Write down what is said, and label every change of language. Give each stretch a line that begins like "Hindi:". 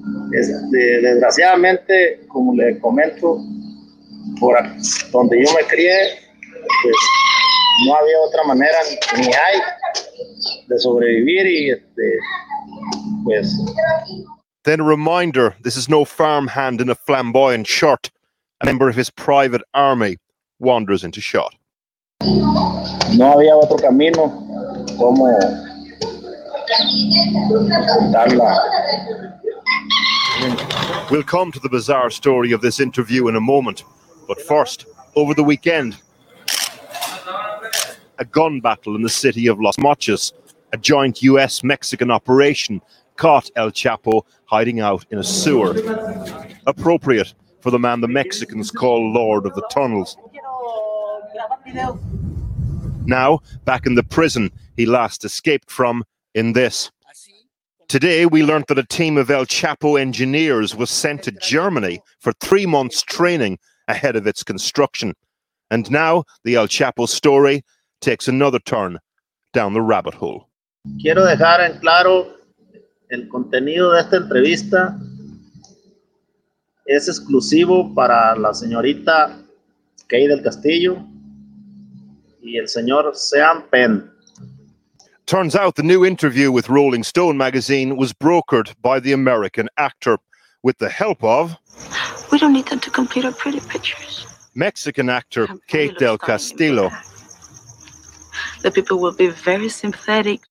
Spanish: Desgraciadamente, como le comento, por donde yo me crié, pues no había otra manera ni hay de sobrevivir y pues.
English: Then a reminder, this is no farmhand in a flamboyant shirt. A member of his private army wanders into shot.
Spanish: No había otro camino como darla.
English: We'll come to the bizarre story of this interview in a moment. But first, over the weekend, a gun battle in the city of Los Mochis, a joint US-Mexican operation, caught El Chapo hiding out in a sewer. Appropriate for the man the Mexicans call Lord of the Tunnels. Now, back in the prison he last escaped from in this. Today, we learned that a team of El Chapo engineers was sent to Germany for 3 months training ahead of its construction. And now, the El Chapo story takes another turn. down the rabbit hole.
Spanish: Quiero dejar en claro el contenido de esta entrevista es exclusivo para la señorita Kay del Castillo y el señor Sean Penn.
English: Turns out the new interview with Rolling Stone magazine was brokered by the American actor with the help of... We don't need them to complete our pretty pictures. Mexican actor Kate del Castillo. The people will be very sympathetic.